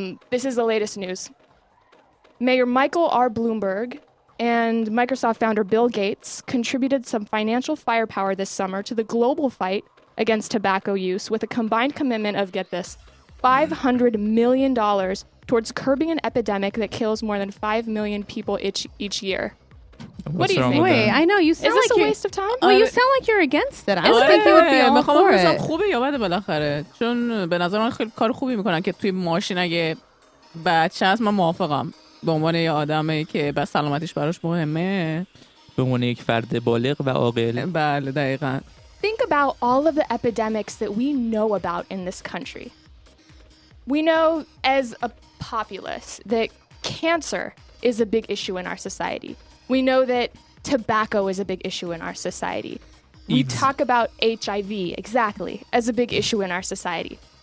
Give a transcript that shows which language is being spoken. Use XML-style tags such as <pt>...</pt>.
<en>This is the latest news. Mayor Michael R. Bloomberg and Microsoft founder Bill Gates contributed some financial firepower this summer to the global fight against tobacco use with a combined commitment of, get this, $500 million towards curbing an epidemic that kills more than 5 million people each year. What do you think? Wait, I know you sound you're. Is this a waste of time? Well, you sound like you're against it. I don't think you would be all for it.</en> <fa>خوبه یا بده بالاخره؟ چون به نظر من خیلی کار خوبی میکنن که توی ماشین اگه بچه هست، من موافقم. به عنوان یه آدمی که بس سلامتیش براش مهمه، به عنوان یک فرد بالغ و عاقل. بله دقیقاً.</fa> <en>Think about all of the epidemics that we know about in this country. We know as a populace that cancer is a big issue in our society. We know that tobacco is a big issue in our society. We talk about HIV, exactly, as a big issue in our society.</en>